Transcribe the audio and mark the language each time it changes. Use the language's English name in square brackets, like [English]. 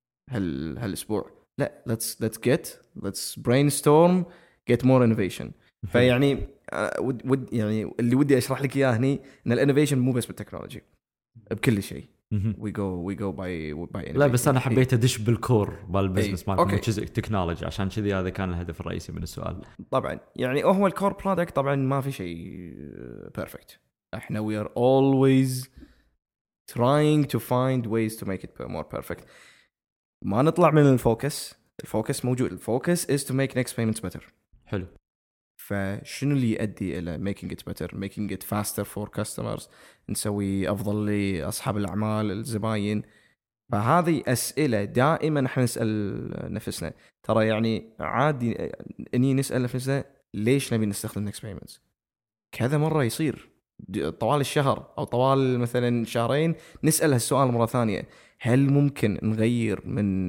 [Arabic] هالاسبوع. لا [English] let's brainstorm, get more innovation. [Arabic] فيعني ود يعني اللي ودي اشرح لك اياه هني ان الانوفيشن مو بس بالتكنولوجي, بكل شيء. [English] we go by [Arabic] لا بس انا حبيت ادش بالكور بالبزنس مالك جزء تكنولوجي, عشان كذي هذا كان الهدف الرئيسي من السؤال. طبعا يعني هو الكور برودكت طبعا ما في شيء بيرفكت, احنا [English] we are always trying to find ways to make it more perfect. [Arabic] ما نطلع من الفوكس, الفوكس موجود, [English] الفوكس is to make next payments better. [Arabic] حلو, فشنو اللي يؤدي الى [English] making it better, making it faster for customers, [Arabic] نسوي افضل لاصحاب الاعمال الزباين. فهذه اسئله دائما احنا نسال نفسنا, ترى يعني عادي اني نسال نفسنا ليش نبي نستخدم next payments كذا مره, يصير طوال الشهر او طوال مثلا شهرين نسال هالسؤال مره ثانيه, هل ممكن نغير من